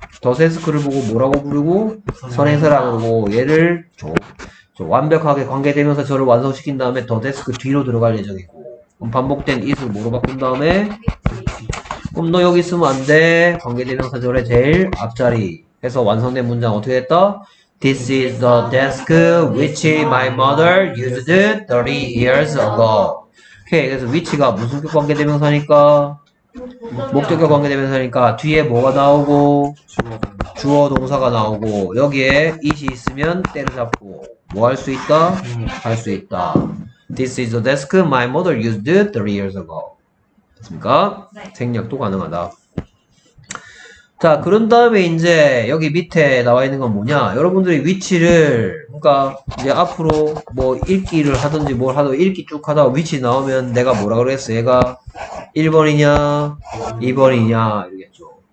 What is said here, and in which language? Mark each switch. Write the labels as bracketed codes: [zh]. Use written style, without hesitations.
[ko] 더 데스크를 보고 뭐라고 부르고, 선행사라고 부르고, 얘를 완벽하게 관계대명사 절을 완성시킨 다음에 더 데스크 뒤로 들어갈 예정이고, 그럼 반복된 it을 뭐로 바꾼 다음에, 그럼 너 여기 있으면 안 돼. 관계대명사 절의 제일 앞자리. 해서 완성된 문장 어떻게 됐다? [en] This is the desk which my mother used 30 years ago. [ko] 오케이. 그래서 위치가 무슨 격 관계대명사니까, 목적격 관계대명사니까, 뒤에 뭐가 나오고, 주어 동사가 나오고, 여기에 it이 있으면 때를 잡고, 뭐할수 있다? 할수 있다. [en] This is the desk my mother used 30 years ago. [ko] 됐습니까? 생략도 가능하다. 자, 그런 다음에 이제 여기 밑에 나와 있는 건 뭐냐? 여러분들이 위치를, 그러니까 이제 앞으로 뭐 읽기를 하든지 뭘 하든 읽기 쭉 하다가 위치 나오면 내가 뭐라 그랬어? 얘가 1번이냐, 2번이냐, 이랬죠.